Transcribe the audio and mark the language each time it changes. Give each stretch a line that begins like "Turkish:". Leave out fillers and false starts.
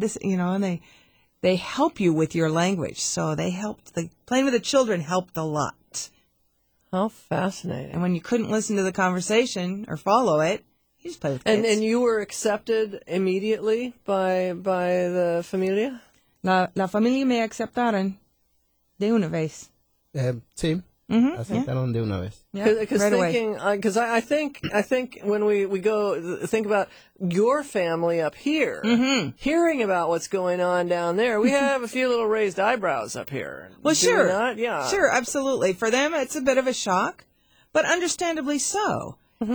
English: This, you know, and they help you with your language. So they helped. Playing with the children helped a lot. How fascinating. And when you couldn't listen to the conversation or follow it, you just play with kids. And you were accepted immediately by the familia?
Spanish: La familia me aceptaron de una vez. Sí. Aceptaron de una vez.
English: Because I think when we think about your family up here, hearing about what's going on down there, we have a few little raised eyebrows up here. Well, sure. Yeah. Sure, absolutely. For them, it's a bit of a shock, but understandably so. Mm-hmm.